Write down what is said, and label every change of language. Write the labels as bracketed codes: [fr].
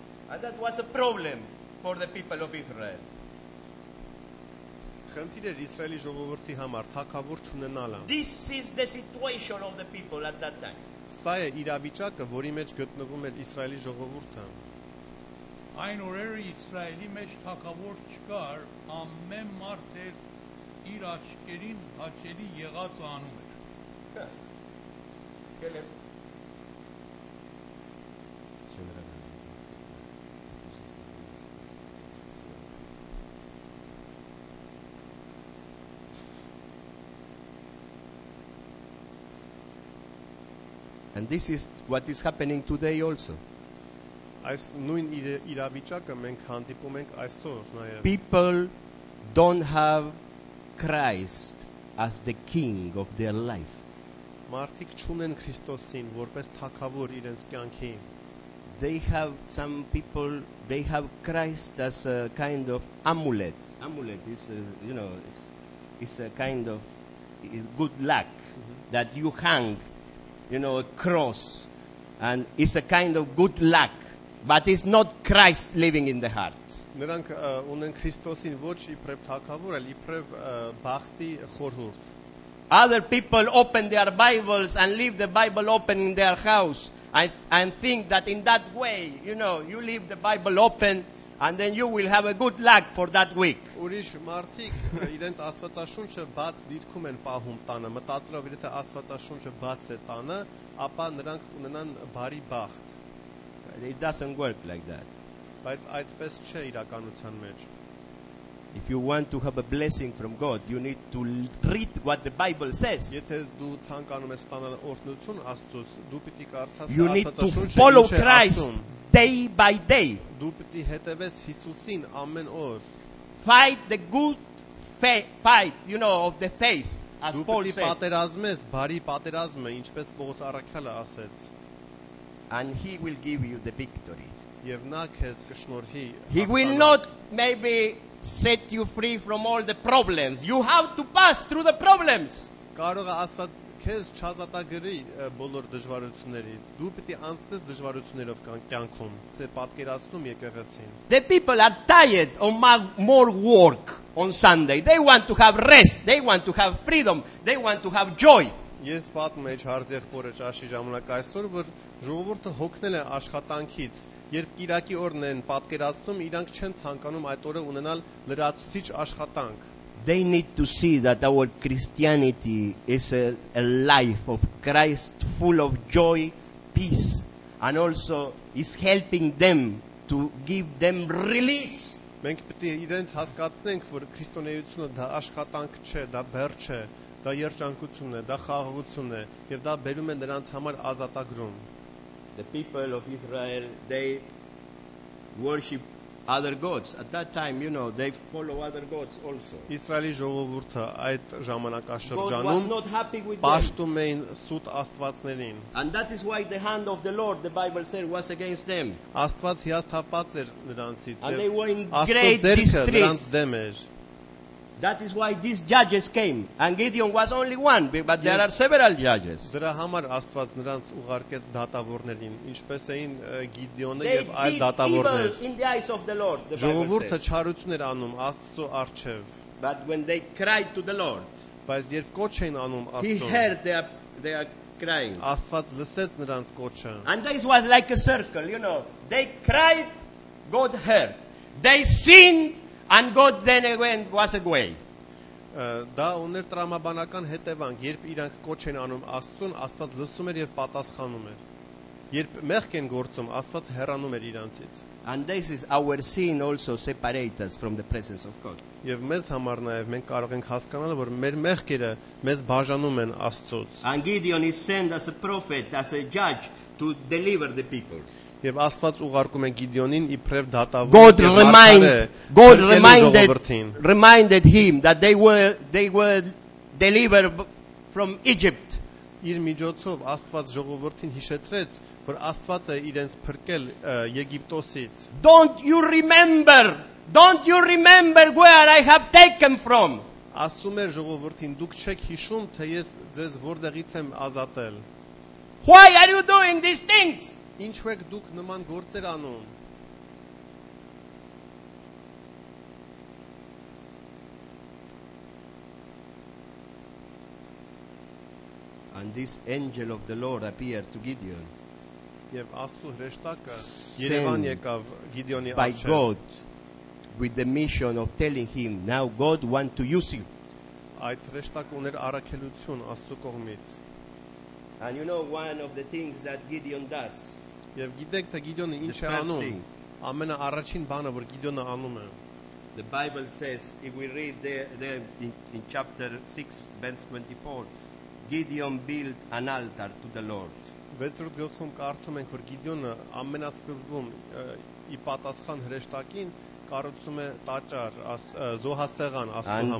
[en] And that was a problem for the people of Israel. [hy] Խնդիր էր Իսրայելի ժողովրդի համար թագավոր չունենալը. [en] This is the situation of the people at that time. [hy] Սա է իրավիճակը, որի մեջ գտնվում էր Իսրայելի ժողովուրդը. Այն օրերը Իսրայելի մեջ թագավոր չկար, ամեն մարդ իր աչքերին հաճելի եղած անում էր. [en] And this is what is happening today also. [hy] Այս նույն իրավիճակը մենք հանդիպում ենք այսօր նաև. [en] People don't have Christ as the king of their life. [hy] Մարդիկ չունեն Քրիստոսին որպես թագավոր իրենց կյանքի. [en] They have some people, they have Christ as a kind of amulet. Amulet is a, you know, it's a kind of good luck that you hang. You know, a cross, and it's a kind of good luck, but it's not Christ living in the heart. [hy] Նրանք ունեն Քրիստոսին ոչ իբրև թագավոր, այլ իբրև բախտի խորհուրդ. [en] Other people open their Bibles and leave the Bible open in their house. I think that in that way, you know, you leave the Bible open, and then you will have a good luck for that week. [hy] Ուրիշ մարդիկ իրենց Աստվածաշունչը բաց դիտքում են պահում տանը, մտածելով եթե Աստվածաշունչը բաց է տանը, ապա նրանք կունենան բարի բախտ. [en] It doesn't work like that. [hy] Բայց այդպես չէ իրականության մեջ. [en] If you want to have a blessing from God, you need to read what the Bible says. [hy] Եթե դու ցանկանում ես տանալ օրհնություն Աստծոս, դու պիտի կարդաս Աստվածաշունչը, [en] follow Christ. Day by day. [hy] Դու պիտի հետևես Հիսուսին ամեն օր. [en] Fight the good fight, you know, of the faith, as Paul said. [hy] Դու պիտի պատերազմես բարի պատերազմը, ինչպես Պողոս առաքյալը ասեց. [en] And he will give you the victory. [hy] Եվ նա քեզ կշնորհի. [en] He will not maybe set you free from all the problems. You have to pass through the problems. [hy] Կարող է ասված քեզ չազատագրի բոլոր դժվարություններից, դու պիտի անցնես դժվարություններով կյանքում, ասե պատկերացնում եկեղեցին. [en] The people are tired of more work on Sunday. They want to have rest, they want to have freedom, they want to have joy. [hy] Ես պատմում եմ հարձեղբորը ճաշի ժամանակ այսօր, որ ժողովուրդը հոգնել է աշխատանքից, երբ կիրակի օրն են պատկերացնում, իրանք չեն ցանկանում այդ օրը ունենալ լրացուցիչ աշխատանք. [en] They need to see that our Christianity is a life of Christ full of joy, peace, and also is helping them to give them release. [hy] Մենք պետք է իրենց հասկացնենք, որ քրիստոնեությունը դա աշխատանք չէ, դա բեռ չէ, դա երջանկություն է, դա խաղաղություն է, եւ դա բերում է նրանց համար ազատագրում. [en] The people of Israel, they worship other gods. At that time, you know, they follow other gods also. [hy] Իսրայելի ժողովուրդը այդ ժամանակաշրջանում պաշտում էին սուտ աստվածներին. [en] And that is why the hand of the Lord, the Bible said, was against them. [hy] Աստված հիասթափած էր նրանցից եւ աստուծերքը դեմ էր. [en] That is why these judges came. And Gideon was only one, but there are several judges. [hy] Դրա համար Աստված նրանց ուղարկեց դատավորներին, ինչպես էին Գիդիոնը եւ այլ դատավորներ. [en] They did evil in the eyes of the Lord. [hy] Ժողովուրդը չարություն էր անում Աստծո առջև. [en] But when they cried to the Lord. [hy] Բայց երբ կոչ էին անում Աստծո. [en] He heard their crying. [hy] Աստված լսեց նրանց կոչը. [en] And this was like a circle, you know. They cried, God heard. They sinned. And God then went was away. [hy] Դա ուներ տրամաբանական հետևանք, երբ իրանք կոչ են անում Աստծուն, Աստված լսում էր եւ պատասխանում էր. Երբ մեղք են գործում, Աստված հեռանում էր իրանցից. [en] And this is our sin also separates us from the presence of God. [hy] Եվ մեզ համար նաեւ մենք կարող ենք հասկանալ, որ մեր մեղքերը մեզ բաժանում են Աստծոց. [en] And Gideon is sent as a prophet, as a judge to deliver the people. [hy] Եվ Աստված ուղարկում է Գիդիոնին իբրև դատավոր։ [en] God reminded him that they were delivered from Egypt. [hy] Իր միջոցով Աստված ժողովրդին հիշեցրեց, որ Աստված է իրենց փրկել Եգիպտոսից։ [en] Don't you remember where I have taken from? [hy] Ասում է ժողովրդին, դուք չեք հիշում, թե ես ձեզ որտեղից եմ ազատել։ [en] Why are you doing these things? [hy] Ինչու եք դուք նման գործեր անում? [en] And this angel of the Lord appeared to Gideon. [hy] Եվ Աստու հրեշտակը Երևան եկավ Գիդիոնի առջև. [en] By God with the mission of telling him, now God want to use you. [hy] Այդ հրեշտակը ուներ առաքելություն Աստու կողմից. [en] And you know one of the things that Gideon does. [hy] Եվ գիտեք, թե Գիդիոնը ինչ է անում։ Ամենաառաջին բանը, որ Գիդիոնը անում է։ [en] The Bible says, if we read there in chapter 6 verse 24, Gideon built an altar to the Lord. [hy] Վեցրորդ գլխում կարդում ենք, որ Գիդիոնը ամենասկզբում ի պատասխան հրեշտակին կառուցում է տաճար, զոհասեղան Աստծո համար։